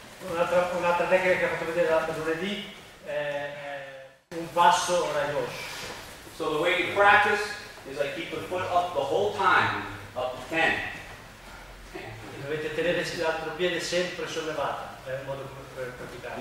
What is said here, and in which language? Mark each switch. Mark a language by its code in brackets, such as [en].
[it] Un'altra tecnica che ho fatto vedere l'altro giovedì è un passo orai gauche. [en] So the way you practice is I keep the foot up the whole time, up to 10. [it] Dovete tenere l'altro piede sempre sollevato, è un modo per praticare.